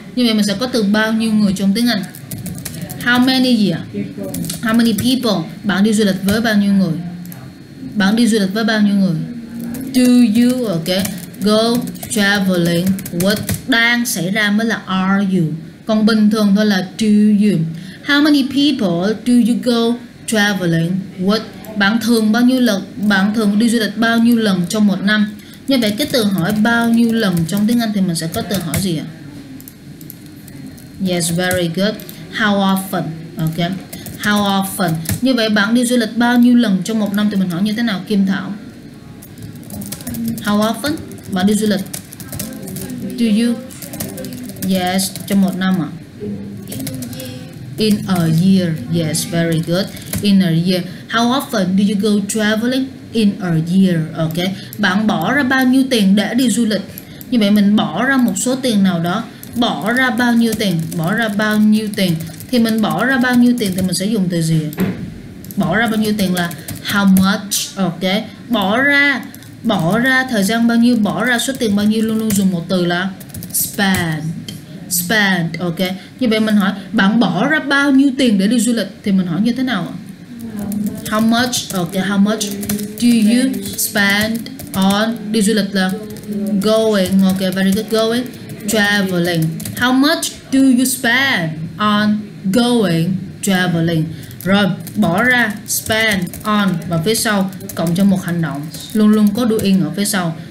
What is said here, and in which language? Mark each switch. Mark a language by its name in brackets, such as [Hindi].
[Vietnamese] Như vậy mình sẽ có từ bao nhiêu người trong tiếng Anh? [English] How many [Vietnamese] gì ạ? [English] How many people? [Vietnamese] Bạn đi du lịch với bao nhiêu người? Bạn đi du lịch với bao nhiêu người? [English] Do you, ok, go traveling with, [Vietnamese] đang xảy ra mới là [English] are you. [Vietnamese] Còn bình thường thôi là [English] do you. How many people do you go traveling with? [Vietnamese] Bạn thường bao nhiêu lần, bạn thường đi du lịch bao nhiêu lần trong một năm? Như vậy cái từ hỏi bao nhiêu lần trong tiếng Anh thì mình sẽ có từ hỏi gì ạ? [English] Yes, very good. How often? Ok. How often? [Vietnamese] Như vậy bạn đi du lịch bao nhiêu lần trong một năm thì mình hỏi như thế nào Kim Thảo? [English] How often? [Vietnamese] Bạn đi du lịch? [English] Do you? Yes, [Vietnamese] trong một năm ạ. [English] In a year. Yes, very good. In a year. How often do you go traveling? In a year, ok. [Vietnamese] Bạn bỏ ra bao nhiêu tiền để đi du lịch? Như vậy mình bỏ ra một số tiền nào đó. Bỏ ra bao nhiêu tiền? Bỏ ra bao nhiêu tiền? Thì mình bỏ ra bao nhiêu tiền thì mình sẽ dùng từ gì? Bỏ ra bao nhiêu tiền là [English] how much, [Vietnamese] ok. Bỏ ra thời gian bao nhiêu, bỏ ra số tiền bao nhiêu, luôn luôn dùng một từ là spend. Spend, ok. Như vậy mình hỏi bạn bỏ ra bao nhiêu tiền để đi du lịch thì mình hỏi như thế nào? [English] How much, ok, how much do you spend on, [Vietnamese] đi du lịch là [English] going, ok, very good, going, traveling. How much do you spend on going traveling? Rồi, [Vietnamese] bỏ ra spend on và phía sau cộng cho một hành động, luôn luôn có doing ở phía sau.